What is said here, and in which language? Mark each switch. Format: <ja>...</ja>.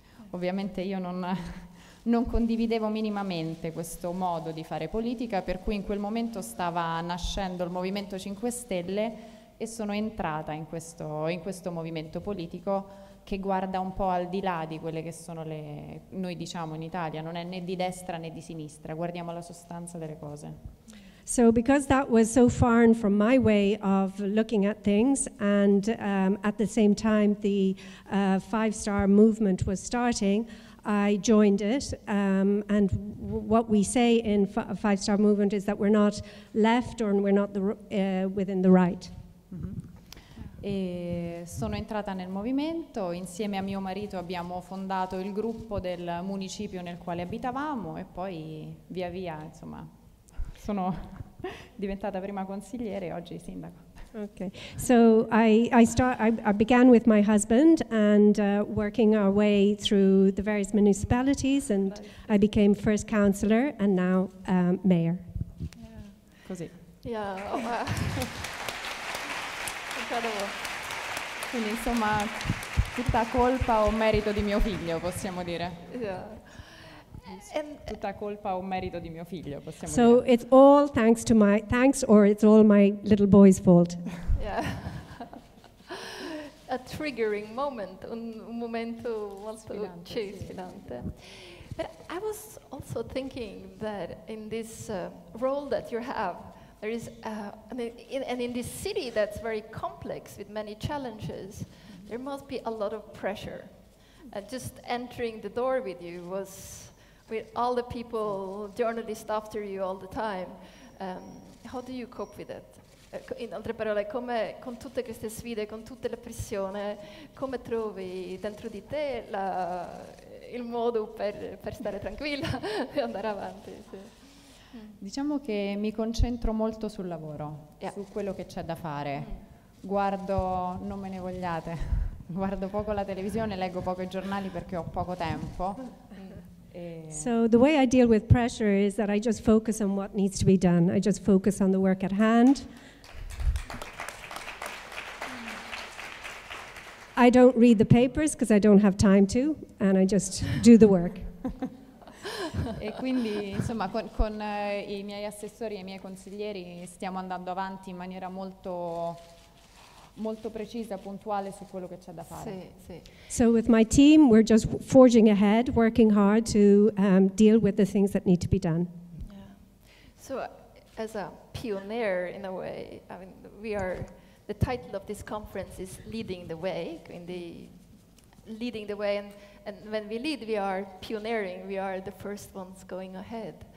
<it>Ovviamente io non condividevo minimamente questo modo di fare politica, per cui in quel momento stava nascendo il Movimento 5 Stelle e sono entrata in questo movimento politico che guarda un po' al di là di quelle che sono le, noi diciamo in Italia, non è né di destra né di sinistra, guardiamo la sostanza delle cose.</it> <en>So because that was so far from my way of looking at things and at the same time the Five Star Movement was starting, I joined it, and what we say in Five Star Movement is that we're not left or we're not within the right.</en> <it>E sono entrata nel movimento, insieme a mio marito abbiamo fondato il gruppo del municipio nel quale abitavamo e poi via via, insomma, sono diventata prima consigliere e oggi sindaco.</it> <en>Okay, so I began with my husband and working our way through the various municipalities and I became first councillor and now mayor. Yeah. Così. Yeah.</en> <it>Incredibile. Quindi insomma tutta colpa o merito di mio figlio, possiamo dire.</it> <en>Yeah.</en> <it>Tutta colpa o merito di mio figlio, possiamo</it> <en>so</en> <it>dire.</it> <en>So it's all thanks to my, thanks or it's all my little boy's fault. A triggering moment,</en> <it>un momento molto sfidante.</it> <en>But I was also thinking that in this role that you have, there is, in this city that's very complex with many challenges, there must be a lot of pressure. Just entering the door with you was with all the people, journalists after you all the time. How do you cope with it?</en> <it>In altre parole, come con tutte queste sfide, con tutte le pressioni, come trovi dentro di te il modo per stare tranquilla e andare avanti? Sì. Diciamo che mi concentro molto sul lavoro, yeah. Su quello che c'è da fare. Guardo, non me ne vogliate, guardo poco la televisione, leggo poco i giornali perché ho poco tempo.</it> <en>So the way I deal with pressure is that I just focus on what needs to be done. I just focus on the work at hand. I don't read the papers because I don't have time to, and I just do the work.</en> <it>E quindi, insomma, con i miei assessori e i miei consiglieri stiamo andando avanti in maniera molto molto precisa, puntuale su quello che c'è da fare. Sì, sì.</it> <en>So with my team, we're just forging ahead, working hard to deal with the things that need to be done. Yeah. So as a pioneer in a way, I mean, we are, the title of this conference is Leading the Way, quindi leading the way, and when we lead, we are pioneering, we are the first ones going ahead.</en>